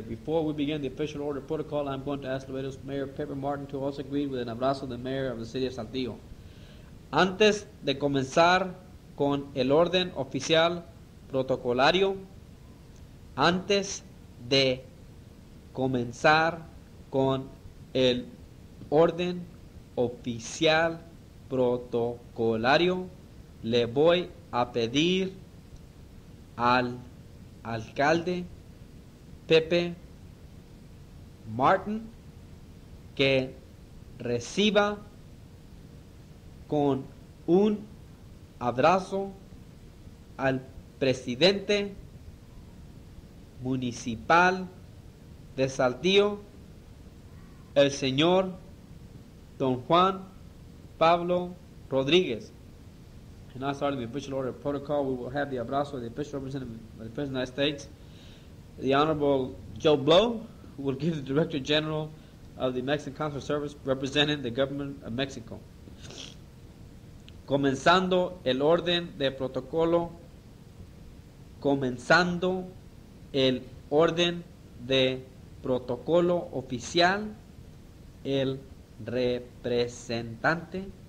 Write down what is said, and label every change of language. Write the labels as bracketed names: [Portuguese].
[English] Before we begin the official order protocol, I'm going to ask Laredo's Mayor Pepper Martin to also greet with an abrazo the mayor of the city of Saltillo. [Spanish] Antes de comenzar con el orden oficial protocolario, antes de comenzar con el orden oficial protocolario, le voy a pedir al alcalde Pepe Martin que reciba con un abrazo al presidente municipal de Saltillo, el señor don Juan Pablo Rodríguez. [English] And now starting the official order of protocol, we will have the abrazo of the official representative of the President of the United States, the Honorable Joe Blow, who will give the Director General of the Mexican Consular Service representing the government of Mexico. [Spanish] Comenzando el orden de protocolo, comenzando el orden de protocolo oficial, el representante